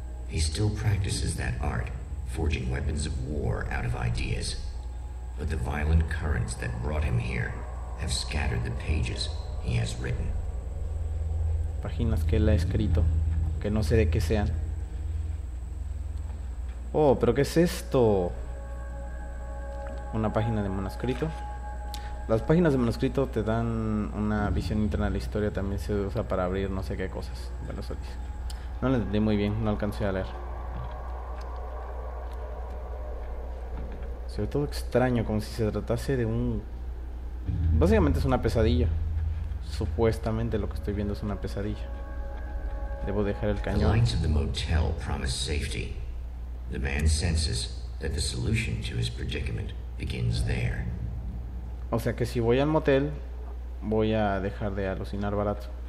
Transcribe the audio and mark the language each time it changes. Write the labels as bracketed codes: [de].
[en] He still practices that art, forging weapons of war out of ideas. But the violent currents that brought him here have scattered the pages he has written. [es] Páginas que él ha escrito, que no sé de qué sean. Oh, pero ¿qué es esto? Una página de manuscrito. Las páginas de manuscrito te dan una visión interna de la historia, también se usa para abrir no sé qué cosas. Bueno, eso dice. No lo entendí muy bien, no alcancé a leer. Sobre todo extraño, como si se tratase de un... Básicamente es una pesadilla. Supuestamente lo que estoy viendo es una pesadilla. Debo dejar el cañón. [en] The lights of the motel promise safety. The man senses that the solution to his predicament begins there. [es] O sea que si voy al motel, voy a dejar de alucinar barato.